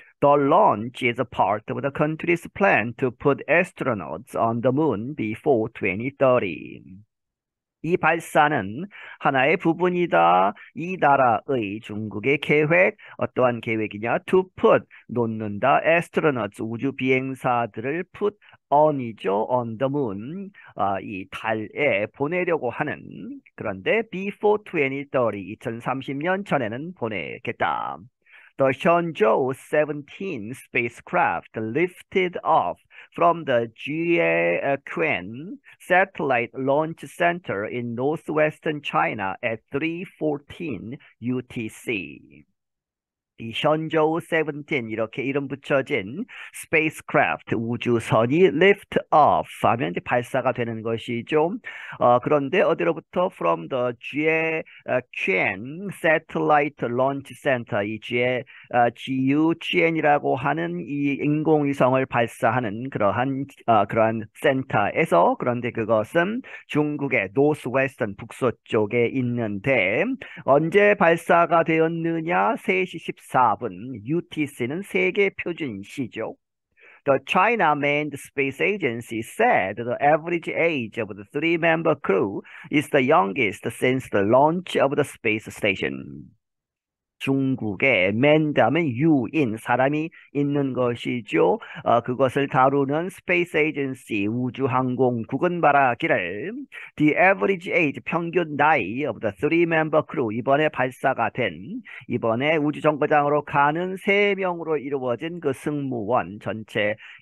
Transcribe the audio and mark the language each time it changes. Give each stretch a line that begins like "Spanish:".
English: The launch is a part of the country's plan to put astronauts on the moon before 2030.
Korean: 이 발사는 하나의 부분이다. 이 나라의 중국의 계획, 어떠한 계획이냐?
English: To put,
Korean: 놓는다.
English: Astronauts,
Korean: 우주 비행사들을
English: put on
Korean: 이죠.
English: On the moon,
Korean: 이 달에 보내려고 하는. 그런데
English: before 2030,
Korean: 2030년 전에는 보내겠다.
English: The Shenzhou 17 spacecraft lifted off from the Jiuquan Satellite Launch Center in northwestern China at 3:14 UTC.
Korean: 이 션저우 17 이렇게 이름 붙여진 스페이스크래프트 우주선이 리프트 오프 하면 이제 발사가 되는 것이죠. 그런데 어디로부터?
English: From the
Korean: 쥐에퀸 Satellite Launch Center 이 쥐에 GUQN이라고 하는 이 인공위성을 발사하는 그러한 센터에서 그런데 그것은 중국의 노스웨스턴 북서 쪽에 있는데 언제 발사가 되었느냐? 3시 14 답은 UTC는 세계 표준 시죠.
English: The China Manned Space Agency said the average age of the three-member crew is the youngest since the launch of the space station.
Korean: 중국의 man 다음에 유인 사람이 있는 것이죠. 그것을 다루는 Space Agency 우주항공국은 말하기를
English: The average age
Korean: 평균 나이
English: of the three member crew
Korean: 이번에 발사가 된 이번에 우주정거장으로 가는 세 명으로 이루어진 그 승무원 전체의